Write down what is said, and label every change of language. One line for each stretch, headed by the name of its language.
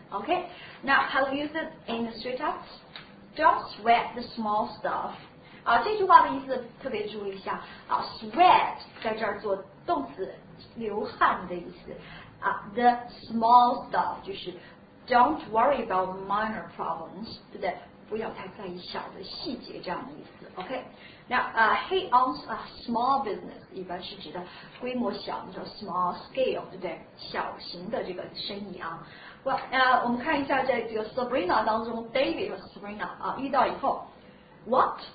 English: OK， now how to use it in the straight up， don't sweat the small stuff。
Chinese: 啊，这句话的意思特别注意一下啊 ，sweat 在这儿做动词，流汗的意思。
English: 啊、the small stuff 就是 don't worry about minor problems，
Chinese: 对不对？不要太在意小的细节这样的意思。
English: OK， now he owns a small business，
Chinese: 一般是指的规模小，叫
English: small scale，
Chinese: 对不对？小型的这个生意啊。Well， 我们看一下在这个 Sabrina 当中 ，David 和 Sabrina 啊遇到以后 ，What？